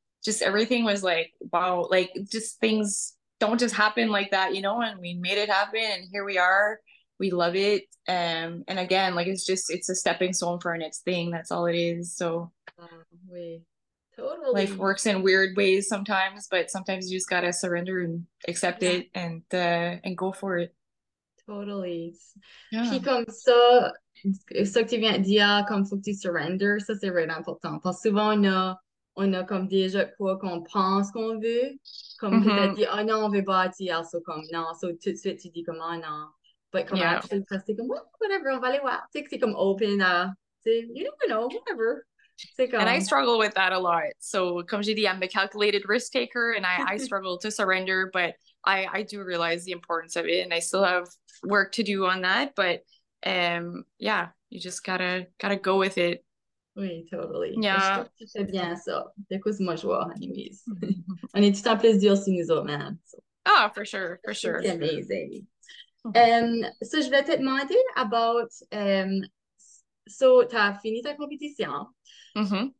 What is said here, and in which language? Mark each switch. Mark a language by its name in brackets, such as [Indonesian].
[English] Just everything was like, wow, like, just things don't just happen like that, you know, and we made it happen and here we are. We love it. And again, like, it's just, it's a stepping stone for our next thing. That's all it is. So totally. Life works in weird ways sometimes, but sometimes you just gotta surrender and accept it and go for it. Totally. Yeah. [French] Puis comme ça, ce que tu viens de dire, comme faut que tu surrender, ça c'est vraiment important. Parce que souvent on a comme déjà quoi qu'on pense qu'on veut. Comme mm-hmm. tu as dit, oh non, on veut bâtir. So comme non, so tout de suite tu dis comment non. But comme actually, c'est comme oh, whatever, on va aller voir. Tu sais que c'est comme open à, [English] you never know, whatever. And I struggle with that a lot. So, [French] comme j'ai dit, [English] I'm a calculated risk taker and I struggle to surrender, but I do realize the importance of it and I still have work to do on that. But yeah, you just gotta go with it. [French] Oui, totally. [English] Yeah. [French] Je trouve que tu fais bien ça. Écoute, moi, je vois, anyways. On est tout en plus dur sur nous autres, man. So. [English] Ah, oh, for sure. [French] C'est amazing. So je vais te demander about, so tu as fini ta compétition. Mm-hmm.